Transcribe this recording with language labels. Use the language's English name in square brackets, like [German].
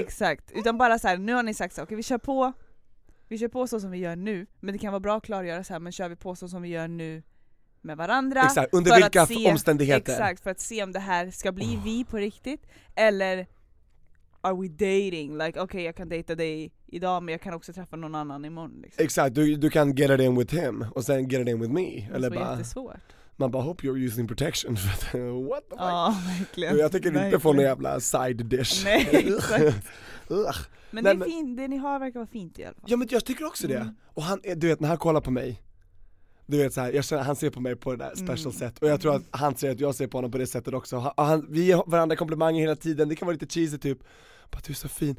[Swedish] Exakt, utan bara såhär, nu har ni sagt såhär, okej, vi kör på så som vi gör nu. Men det kan vara bra att klargöra såhär, men kör vi på så som vi gör nu med varandra. Exakt, under vilka omständigheter. Exakt, för att se om det här ska bli vi på riktigt. Eller are we dating? Like, okej, jag kan dejta dig idag, men jag kan också träffa någon annan imorgon. Liksom. Exakt, du kan get it in with him och sen get it in with me. Det är jättesvårt. [English] Man bara, hope you're using protection. What the fuck? [Swedish] Ja, verkligen. Jag tänker inte få någon jävla side dish. Nej, exakt. Men det är fint, det ni har verkar vara fint i alla fall. Ja, men jag tycker också det. Och han, du vet, när han kollar på mig, du vet så här, jag känner, han ser på mig på det där special sätt. Och jag tror att han ser att jag ser på honom på det sättet också. Vi ger varandra komplimanger hela tiden. Det kan vara lite cheesy typ. Bara, du är så fin.